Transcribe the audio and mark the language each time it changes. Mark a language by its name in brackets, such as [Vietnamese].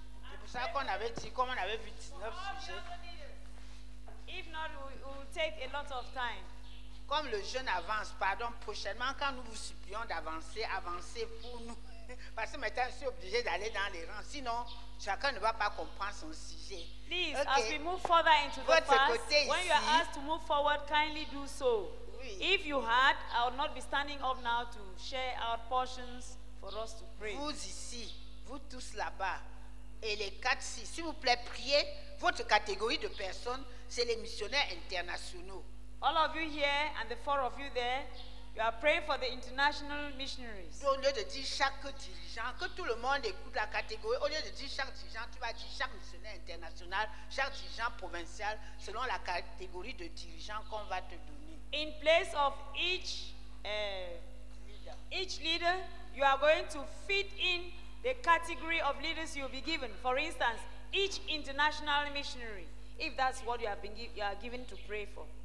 [French] C'est pour ça qu'on avait dit, comme on avait vu 19 sujets. [English] If not, we'll take a lot of time. [French] Comme le jeûne avance, pardon, prochainement, quand nous vous supplions d'avancer, avancez pour nous. Parce que maintenant, je suis obligé d'aller dans les rangs. Sinon, chacun ne va pas comprendre son sujet. [English] Please, okay. As we move further into [French] votre [English] the past, when [French] ici, [English] you are asked to move forward, kindly do so. [French] Oui. [English] If you had, I would not be standing up now to share our portions for us to pray. [French] Vous ici, vous tous là-bas, et les quatre ici, s'il vous plaît, priez. Votre catégorie de personnes, c'est les missionnaires internationaux. [English] All of you here and the four of you there, you are praying for the international missionaries. [French] Au lieu de dire chaque dirigeant, que tout le monde écoute la catégorie, au lieu de dire chaque dirigeant, tu vas dire chaque missionnaire international, chaque dirigeant provincial, selon la catégorie de dirigeant qu'on va te donner. [English] In place of each leader, you are going to fit in the category of leaders you'll be given. For instance, each international missionary, if that's what you are given to pray for.